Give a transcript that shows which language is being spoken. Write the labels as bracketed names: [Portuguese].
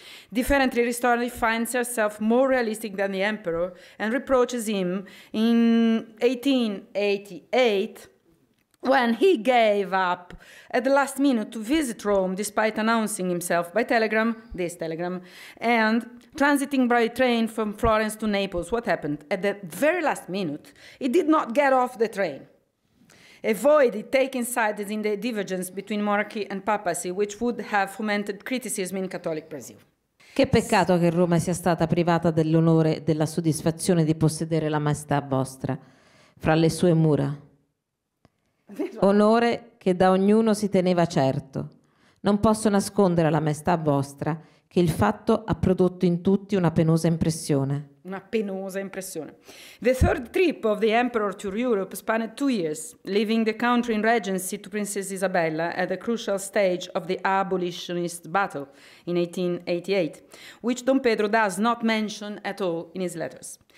[English] Differently, Ristori finds herself more realistic than the emperor and reproaches him in 1888, when he gave up at the last minute to visit Rome despite announcing himself by telegram, this telegram, and transiting by train from Florence to Naples. What happened? At the very last minute, he did not get off the train. A void he taken sight in the divergence between monarchy and papacy, which would have fomented criticism in Catholic Brazil. [Italian] Che peccato che Roma sia stata privata dell'onore e della soddisfazione di possedere la maestà vostra fra le sue mura. Onore che da ognuno si teneva certo. Non posso nascondere alla maestà vostra che il fatto ha prodotto in tutti una penosa impressione. Una penosa impressione. [English] The third trip of the emperor to Europe spanned 2 years, leaving the country in regency to Princess Isabella at the crucial stage of the abolitionist battle in 1888, which D.Pedro does not mention at all in his letters.